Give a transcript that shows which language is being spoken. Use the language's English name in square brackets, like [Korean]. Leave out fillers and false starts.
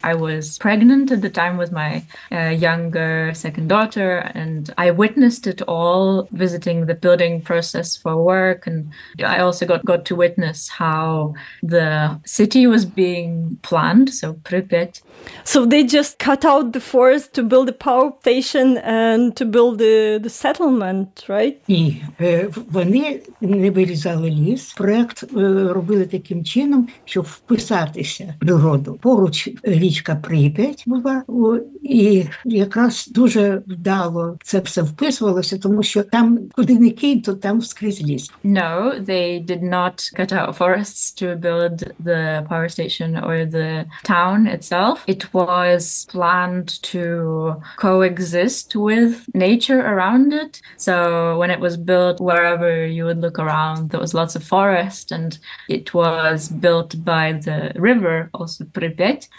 [English] I was pregnant at the time with my younger second daughter, and I witnessed it all, visiting the building process for work. And I also got to witness how the city was being planned, so Pripyat. So they just cut out the forest to build a power station and to build the settlement, right? [Ukrainian] І вони не вирізали ліс. Проект робили таким чином, щоб вписатися в природу. Поруч річка Прип'ять була, і якраз дуже вдало це все вписувалося, тому що там, куди не кинь, то там скрізь ліс. [English] No, they did not cut out forests to build the power station or the town itself. It was planned to coexist with nature around it. So when it was built, wherever you would look around, there was lots of forest, and it was built by the river, also Pripyat.